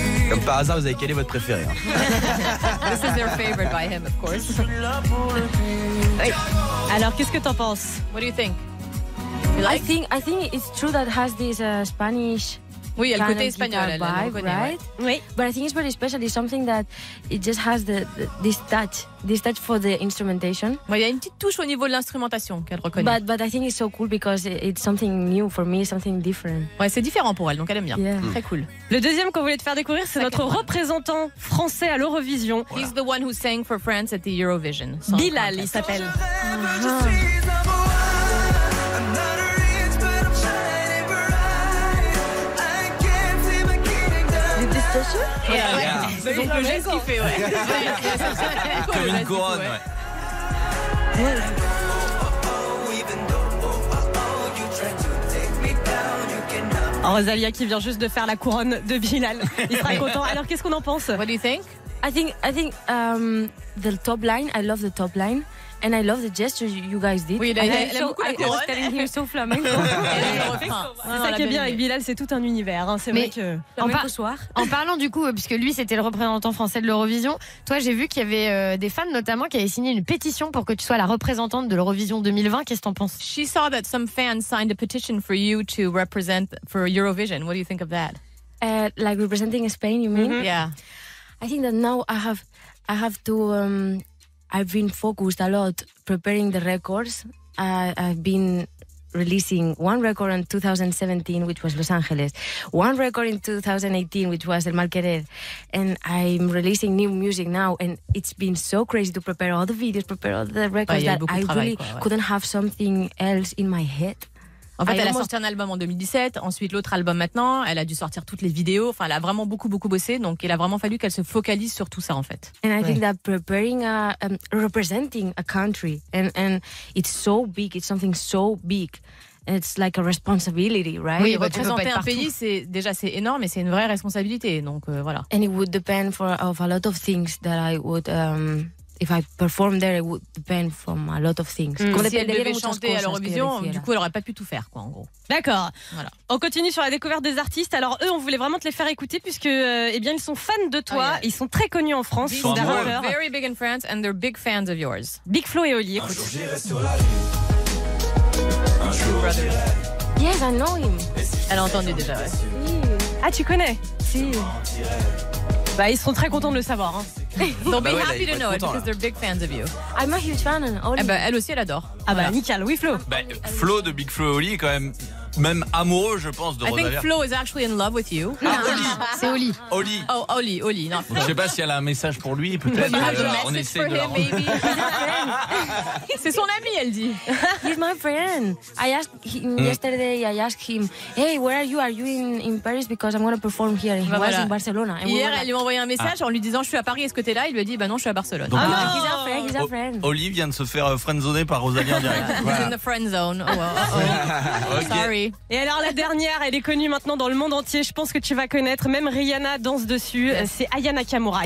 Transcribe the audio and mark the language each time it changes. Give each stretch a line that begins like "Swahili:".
French: Comme par hasard, vous avez quel est votre préféré, hein?
English: This is their favorite by him, of course.
French: Alors, qu'est-ce que t'en penses?
English: What do you think? You like? I think it's true that it has this Spanish.
French: Oui, elle côté espagnol,
English: right?
French: Oui.
English: But I think it's very special. It's something that it just has this touch for the instrumentation.
French: Oui, il y a une petite touche au niveau de l'instrumentation qu'elle reconnaît.
English: But I think it's so cool because it's something new for me, something different.
French: Ouais, c'est différent pour elle, donc elle aime bien.
English: Yeah. Mm.
French: Très cool. Le deuxième qu'on voulait te faire découvrir, c'est notre représentant français à l'Eurovision. Voilà.
English: He's the one who sang for France at the Eurovision.
French: Bilal, il s'appelle. Comme une couronne. Rosalia qui vient juste de faire la couronne de Bilal. Il sera content. Alors qu'est-ce qu'on en pense?
English: What do you think? I think the top line. I love the top line. And I love the gestures you guys did.
French: Oui, elle aime beaucoup la couronne.
English: I'm telling him so flamenco.
French: C'est ça qui est bien avec Bilal, c'est tout un univers. Hein. C'est mais vrai que... En parlant du coup, puisque lui, c'était le représentant français de l'Eurovision, toi, j'ai vu qu'il y avait des fans, notamment, qui avaient signé une pétition pour que tu sois la représentante de l'Eurovision 2020. Qu'est-ce que t'en penses?
English: She saw that some fans signed a petition for you to represent for Eurovision. What do you think of that? Like representing Spain, you mean? Mm-hmm. Yeah. I think that now I have to... I've been focused a lot preparing the records. I've been releasing one record in 2017, which was Los Angeles. One record in 2018, which was El Mal Querer. And I'm releasing new music now. And it's been so crazy to prepare all the videos, prepare all the records, that I really couldn't have something else in my head.
French: En fait, elle a sorti un album en 2017, ensuite l'autre album maintenant. Elle a dû sortir toutes les vidéos. Enfin, elle a vraiment beaucoup, beaucoup bossé. Donc, il a vraiment fallu qu'elle se focalise sur tout ça, en fait.
English: And I think that preparing, representing a country, and it's so big, it's something so big. It's like a responsibility, right?
French: Oui, représenter un pays, c'est énorme et c'est une vraie responsabilité. Donc, voilà.
English: And it would depend for a lot of things that I would... If I perform there, it would depend from a lot of things. Mmh.
French: Si elle devait chanter à l'Eurovision, du coup, elle n'aurait pas pu tout faire, quoi, en gros. D'accord. Voilà. On continue sur la découverte des artistes. Alors, eux, on voulait vraiment te les faire écouter puisque, eh bien, ils sont fans de toi. Oh, yeah. Ils sont très connus en France. Ils sont des rappeurs.
English: Very big in France and they're big fans of yours.
French: Big Flo et Oli, écoute. Un jour, j'irai sur la lune.
English: Yes, I know him.
French: Elle a entendu déjà, ouais. Ah, tu connais?
Spanish: Si.
French: Bah, ils seront très contents de le savoir. Hein.
English: They'll be happy to know it because they're big fans of you. I'm a huge fan and Oli.
French: Eh bah, elle aussi, elle adore. Ah bah, nickel. Oui, Flo. Bah, Flo de Big Flo et Oli est quand même... Même amoureux, je pense, de Rosalia.
English: I think Flo is actually in love with you.
French: Ah, Oli. C'est Oli. Oli. Oh, Oli, Oli. Non. Je ne sais pas si elle a un message pour lui. Peut-être
English: you have a message for him, baby.
French: C'est son ami, elle dit.
English: He's my friend. I asked him yesterday, I asked him, hey, where are you? Are you in Paris? Because I'm going to perform here. He was in Barcelona.
French: Hier, elle lui a envoyé un message en lui disant, je suis à Paris, est-ce que tu es là? Il lui a dit, bah non, je suis à Barcelone.
English: Donc, he's a friend.
French: Oli vient de se faire friendzoner par Rosalia en direct.
English: He's in the friend zone. Sorry.
French: Et alors la dernière, elle est connue maintenant dans le monde entier, je pense que tu vas connaître, même Rihanna danse dessus, c'est Aya Nakamura.